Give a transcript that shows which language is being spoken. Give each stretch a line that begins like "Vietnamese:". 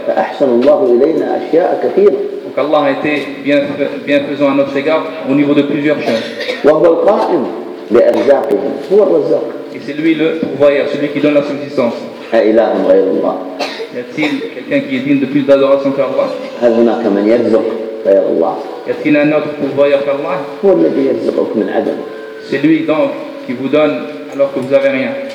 Arabic: فأحسن الله إلينا أشياء كثيرة.
French: Donc Allah a été bienfaisant à notre égard au niveau de plusieurs choses.
Arabic: وهو القائم بأرزاقهم هو الرزاق.
French: Et c'est lui le pourvoyeur, celui qui donne la subsistance.
Arabic: أإله غير الله.
French: Y a-t-il quelqu'un qui est digne de plus d'adoration qu'Allah?
Arabic: هل هناك من يرزق غير الله؟
French: Y a-t-il un autre pourvoyeur qu'Allah?
Arabic: هو الذي يرزقك من عدم.
French: C'est lui donc qui vous donne alors que vous n'avez rien.